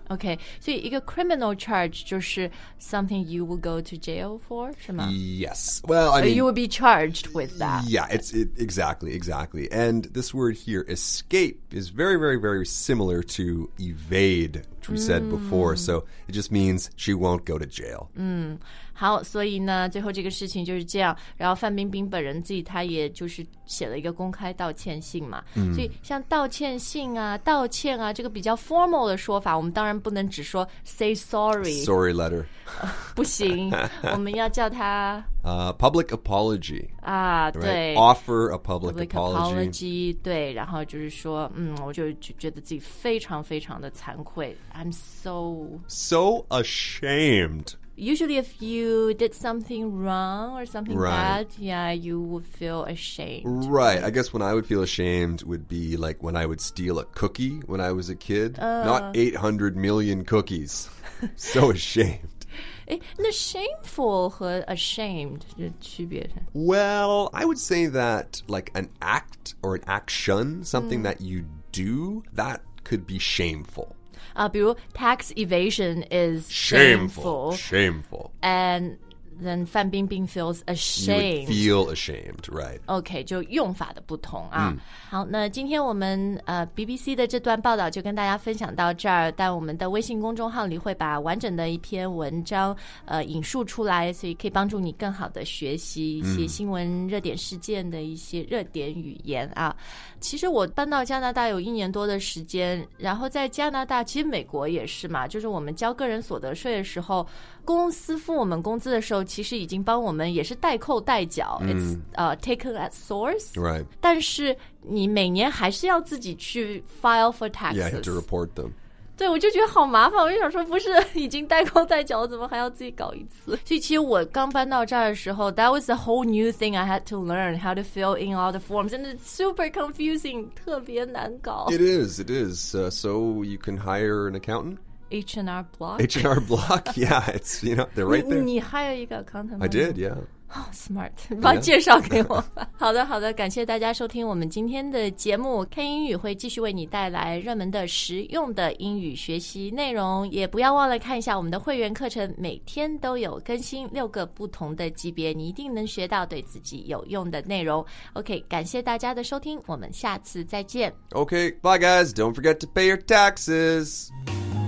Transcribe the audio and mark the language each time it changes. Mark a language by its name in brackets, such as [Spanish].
[Chinese] OK, 所以一个 criminal charge 就是 [English] something you will go to jail for, [Chinese] 是吗 [English] Yes. Well, I mean... You will be charged with that. Yeah, exactly. And this word here, escape, is very, very, very similar to evade, which we said before. So it just means she won't go to jail. [Chinese] 好，所以呢，最后这个事情就是这样。然后范冰冰本人自己她也就是写了一个公开道歉信嘛。所以像道歉信啊、道歉啊这个比较 formal 的说法，我们当然不能只说 say sorry。 [English] Sorry letter、 [Chinese] 不行，我们要叫他 [English] public apology [Chinese] 啊，对、 [English] right? ，offer a public [Chinese] apology， 对，然后就是说，我就觉得自己非常非常的惭愧 ， [English] I'm so ashamed。 Usually if you did something wrong or something bad, yeah, you would feel ashamed. Right. I guess when I would feel ashamed would be like when I would steal a cookie when I was a kid. Not 800 million cookies. So ashamed. [Chinese] 那 shameful 和 ashamed 的区别是？ [English] Well, I would say that like an act or an action, something that you do, that could be shameful. 比如 tax evasion is shameful. And then 范冰冰 feels ashamed. You would feel ashamed, right. [Chinese] Okay, 就用法的不同啊。好，那今天我们BBC 的这段报道就跟大家分享到这儿，但我们的微信公众号里会把完整的一篇文章引述出来，所以可以帮助你更好的学习一些新闻热点事件的一些热点语言啊。其实我搬到加拿大有一年多的时间，然后在加拿大，其实美国也是嘛，就是我们交个人所得税的时候，公司付我们工资的时候，其实已经帮我们也是代扣代缴 [English] taken at source. Right. [Chinese] 但是你每年还是要自己去 file for taxes. [English] Yeah, you have to report them. [Chinese] 对，我就觉得好麻烦，我就想说不是已经代扣代缴，我怎么还要自己搞一次？所以其实我刚搬到这儿的时候 [English] ，that was a whole new thing I had to learn how to fill in all the forms, and it's super confusing, [Chinese] 特别难搞。 [English] It is. So you can hire an accountant? H&R Block, yeah, it's, you know, they're right there. [Chinese] 你 hire 一个 accountant? [English] I did, yeah. Oh, smart. [Chinese] 帮介绍给我吧。好的，好的，感谢大家收听我们今天的节目。看英语会继续为你带来热门的实用的英语学习内容，也不要忘了看一下我们的会员课程，每天都有更新六个不同的级别，你一定能学到对自己有用的内容。 OK, 感谢大家的收听，我们下次再见。 [English] OK, bye guys, don't forget to pay your taxes.